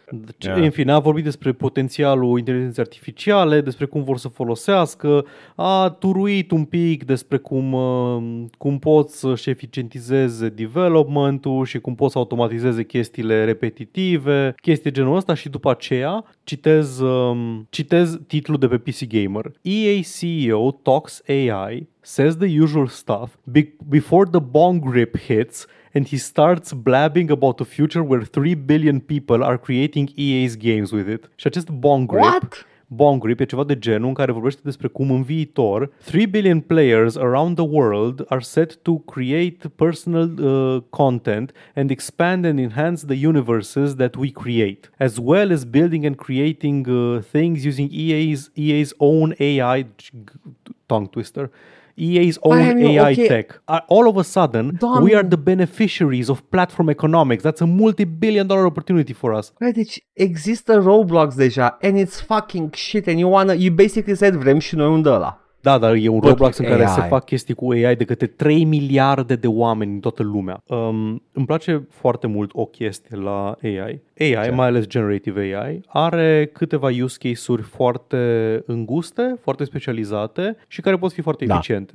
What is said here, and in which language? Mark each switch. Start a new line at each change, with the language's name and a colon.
Romanian: Deci, yeah. În fine, a vorbit despre potențialul inteligenței artificiale, despre cum vor să folosească, a turuit un pic despre cum poți să-și eficientizeze development-ul și cum poți să automatizeze chestiile repetitive, chestii genul ăsta, și după aceea citez titlul de pe PC Gamer.
English: EA CEO talks AI, says the usual stuff, before the bong rip hits and he starts blabbing about a future where 3 billion people are creating EA's games with it.
Romanian: Și acest bong rip,
English: what? Bong Rip,
Romanian: e ceva de genul, în care vorbește despre cum în viitor
English: 3 billion players around the world are set to create personal content and expand and enhance the universes that we create, as well as building and creating things using EA's own AI, tongue twister, EA's own AI tech. All of a sudden, we are the beneficiaries of platform economics. That's a multi-billion dollar opportunity for us. Right,
Romanian: deci există Roblox deja
English: and it's fucking shit and you basically said
Romanian: vrem și noi unde ăla. Da, dar e un Roblox în care se fac chestii cu AI de către 3 miliarde de oameni în toată lumea. Îmi place foarte mult o chestie la AI. AI, mai ales generative AI, are câteva use case-uri foarte înguste, foarte specializate și care pot fi foarte eficiente.